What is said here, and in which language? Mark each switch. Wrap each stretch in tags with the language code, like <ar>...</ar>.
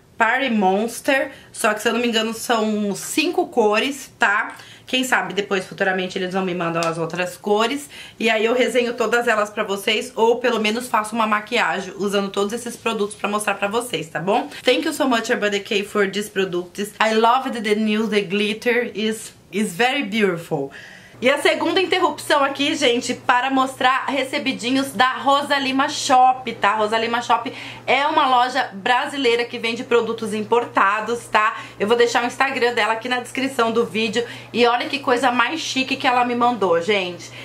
<pt>Party Monster, só que se eu não me engano são 5 cores, tá? Quem sabe depois, futuramente, eles vão me mandar as outras cores. E aí eu resenho todas elas pra vocês, ou pelo menos faço uma maquiagem usando todos esses produtos pra mostrar pra vocês, tá bom?</pt> <en>Thank you so much, Urban Decay, for these products. I love the new, the glitter is very beautiful.</en> <pt>E a segunda interrupção aqui, gente, para mostrar recebidinhos da Rosalima Shop, tá? Rosalima Shop é uma loja brasileira que vende produtos importados, tá? Eu vou deixar o Instagram dela aqui na descrição do vídeo. E olha que coisa mais chique que ela me mandou, gente.</pt>